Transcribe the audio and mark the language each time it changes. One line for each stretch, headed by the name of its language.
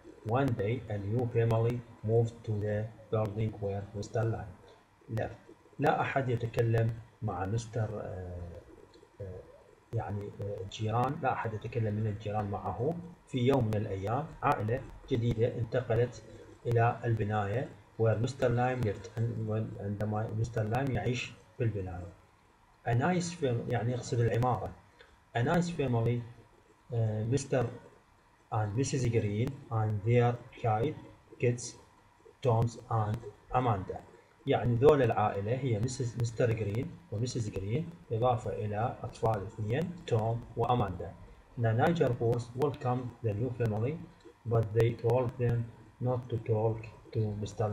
English: One day a new family moved to the building where Mr. Lyon left.
Arabic: لا أحد يتكلم مع مستر يعني الجيران، لا أحد يتكلم من الجيران معه. في يوم من الأيام عائلة جديدة انتقلت إلى البناية where Mr.
English: Lyon lived.
Arabic: عندما مستر لايم يعيش في البناية. A nice family يعني يقصد العمارة.
English: A nice family Mr. and Mrs. Green and their child kids Toms and Amanda.
Arabic: يعني ذول العائلة هي مستر جرين ومسز جرين إضافة إلى أطفال اثنين توم وأماندا.
English: The Niger boys welcomed the new family but they told them not to talk to Mr.